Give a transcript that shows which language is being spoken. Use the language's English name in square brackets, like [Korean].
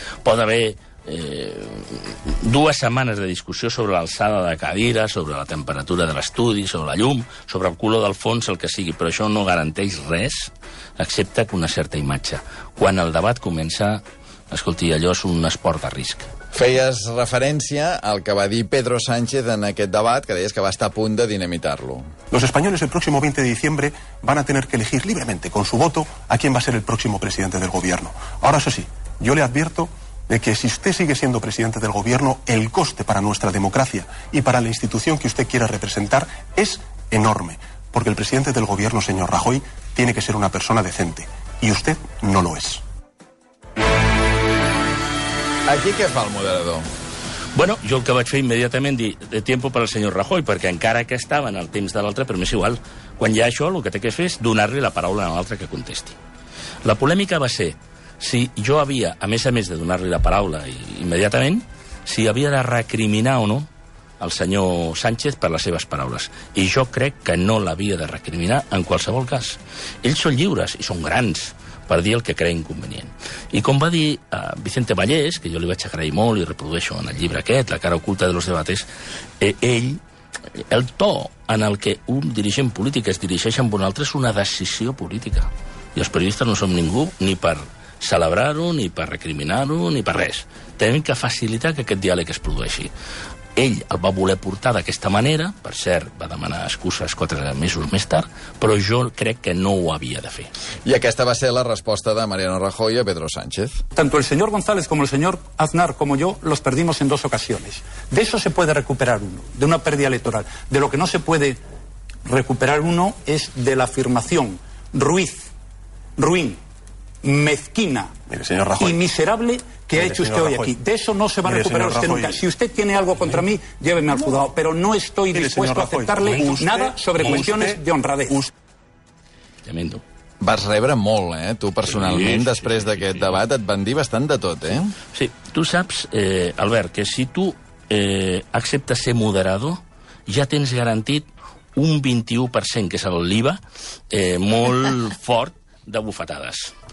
[Catalan] Pot haver dues setmanes de discussió sobre l'alçada de cadira, sobre la temperatura de l'estudi, sobre la llum, sobre el color del fons, el que sigui, però això no garanteix res, excepte que una certa imatge. Quan el debat comença, escolti, allò és un esport de risc. Feies referència al que va dir Pedro Sánchez en aquest debat, que deies que va estar a punt de dinamitar-lo. [Spanish] Los españoles el próximo 20 de diciembre van a tener que elegir libremente con su voto a quién va a ser el próximo presidente del gobierno. Ahora, eso sí, yo le advierto de que si usted sigue siendo presidente del gobierno, el coste para nuestra democracia y para la institución que usted quiera representar es enorme, porque el presidente del gobierno, señor Rajoy, tiene que ser una persona decente, y usted no lo es. [Catalan] Aquí què fa el moderador? Bueno, jo el que vaig fer immediatament dir [Spanish] de tiempo para [Catalan] el senyor Rajoy, perquè encara que estava en el temps de l'altre, però m'és igual. Quan hi ha això, el que té que fer és donar-li la paraula a l'altre que contesti. La polèmica va ser si jo havia, a més de donar-li la paraula immediatament, si havia de recriminar o no el senyor Sánchez per les seves paraules. I jo crec que no l'havia de recriminar en qualsevol cas. Ells són lliures i són grans per dir el que crea inconvenient. I com va dir Vicente Vallès, que jo li vaig agrair molt i reprodueixo en el llibre aquest, La cara oculta de los debates, ell, el to en el que un dirigent polític es dirigeix amb un altre és una decisió política. I els periodistes no som ningú ni per celebrar-ho, ni per recriminar-ho, ni per res. Tenim que facilitar que aquest diàleg es produeixi. Ell el va voler portar d'aquesta manera, per cert, va demanar excuses 4 mesos més tard, però jo crec que no ho havia de fer. I aquesta va ser la resposta de Mariano Rajoy a Pedro Sánchez. [Spanish] Tanto el señor González como el señor Aznar como yo los perdimos en 2 ocasiones. De eso se puede recuperar uno, de una pérdida electoral. De lo que no se puede recuperar uno es de la afirmación ruin, mezquina. Mire, señor Rajoy. Y miserable que ha hecho usted hoy aquí. De eso no se va a recuperar usted nunca. Si usted tiene algo contra mí, lléveme al juzgado. Pero no estoy dispuesto a aceptarle nada sobre cuestiones de honradez. Tremendo. [Catalan] Vas rebre molt, tu personalment, després d'aquest debat. Et van dir bastant de tot, Sí. Tu saps, Albert, que si tu acceptes ser moderado, ja tens garantit un 21%, que és l'IVA, molt fort de bufetades.